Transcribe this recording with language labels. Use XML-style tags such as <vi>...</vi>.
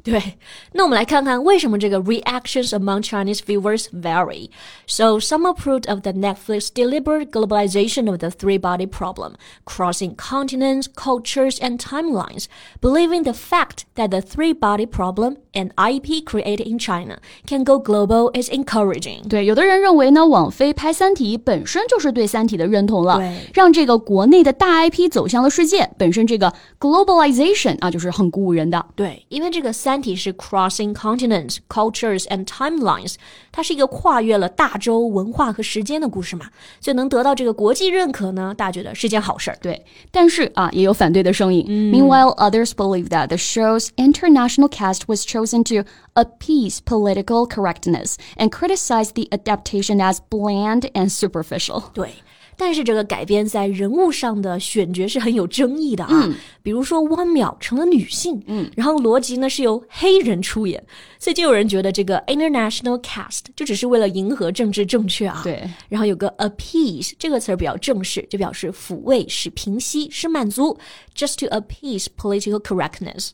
<zh>对，那我们来看看为什么这个</zh> <en>reactions among Chinese viewers vary. So some approved of the Netflix deliberate globalization of the three body problem, crossing continents, cultures and timelines, believing the fact that the three body problem and IP created in China can go global is encouraging.</en> <zh>对，有的人认为呢网飞拍三体本身就是对三体的认同了，对，让这个国内的大 IP 走向了世界，本身这个 globalization 啊就是很鼓舞人的。对，因为这个三体是</zh> <en>crossing continents, cultures and timelines,</en> <zh>它是一个跨越了大洲文化和时间的故事嘛，所以能得到这个国际认可呢，大家觉得是件好事。对，但是啊，也有反对的声音、嗯、</zh> <en>Meanwhile, others believe that the show's international cast was chosen to appease political correctness and criticize the adaptation as bland and superficial.</en> <zh>对，但是这个改编在人物上的选角是很有争议的啊、嗯、比如说汪淼成了女性、嗯、然后罗辑呢是由黑人出演，所以就有人觉得这个 international cast 就只是为了迎合政治正确啊，对，然后有个 appease 这个词比较正式，就表示抚慰，使平息，使满足，</zh> <en>just to appease political correctness.</en>